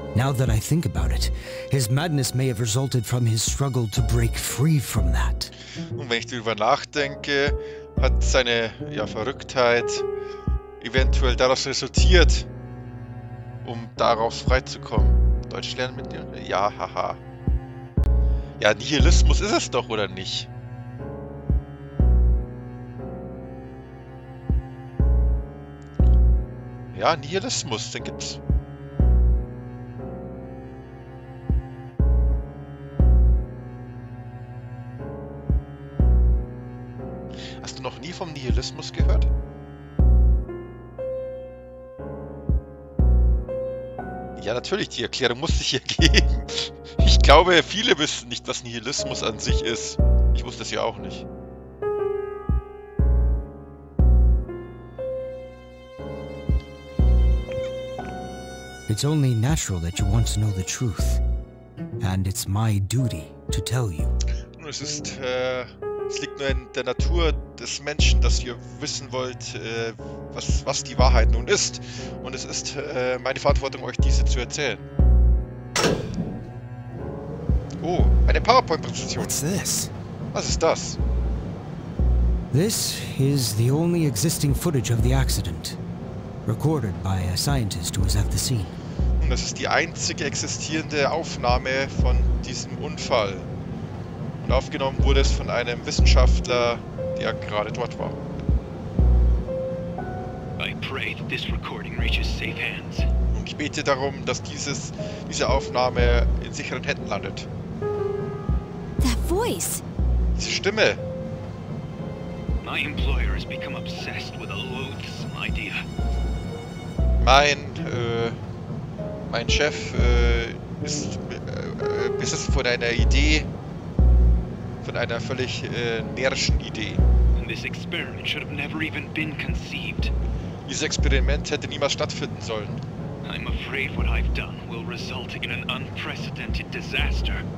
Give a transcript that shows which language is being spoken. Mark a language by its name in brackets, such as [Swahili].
[English] Now that I think about it, his madness may have resulted from his struggle to break free from that. [German] Und wenn ich darüber nachdenke, hat seine Verrücktheit eventuell daraus resultiert, um daraus freizukommen. Deutsch lernen mit dir? Ja, haha. Ja, Nihilismus ist es doch, oder nicht? Ja, Nihilismus, den gibt's. Hast du noch nie vom Nihilismus gehört? Ja, natürlich, die Erklärung muss ich hier geben. Ich glaube, viele wissen nicht, was Nihilismus an sich ist. Ich wusste es ja auch nicht. [English] It's only natural that you want to know the truth. And it's my duty to tell you. [German] Es liegt nur in der Natur des Menschen, dass ihr wissen wollt, was die Wahrheit nun ist. Und es ist meine Verantwortung, euch diese zu erzählen. Oh, eine PowerPoint-Präsentation. [English] What's this? [German] Was ist das? [English] This is the only existing footage of the accident, recorded by a scientist who was at the scene. [German] Und das ist die einzige existierende Aufnahme von diesem Unfall. Und aufgenommen wurde es von einem Wissenschaftler, der gerade dort war. [English] I pray that this recording reaches safe hands. [German] Und ich bete darum, dass diese Aufnahme in sicheren Händen landet. [English] That voice. [German] Diese Stimme. [English] My employer has become obsessed with a loathsome idea. [German] Mein Chef Bist du von einer Idee, von einer völlig närrischen Idee. [English] And this experiment should have never even been conceived. [German] Dieses Experiment hätte niemals stattfinden sollen. [English] I'm afraid what I've done will result in an unprecedented disaster.